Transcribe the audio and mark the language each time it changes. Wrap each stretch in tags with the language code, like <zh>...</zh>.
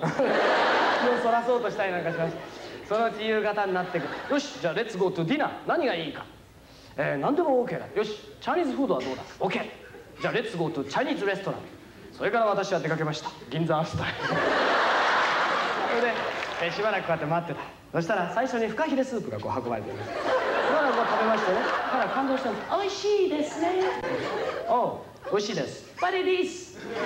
<ja>気をそらそうとしたりなんかします。そのうち夕方になってくる。よし、じゃあ</ja> <en>Let's go to dinner!</en> <ja>何がいいか、何でも OK だ。よし、チャニーズフードはどうだ。</ja> <en>OK!</en> <ja>じゃあ</ja> <en>Let's go to Chinese restaurant!</en> <ja>それから私は出かけました。銀座アスタイル。それで、しばらくこうやって待ってた。そしたら最初にフカヒレスープがこう運ばれてる。しばらくこう食べましてね、ほら感動したんです。美味しいですね。おう、美味しいです。バレディース。</ja>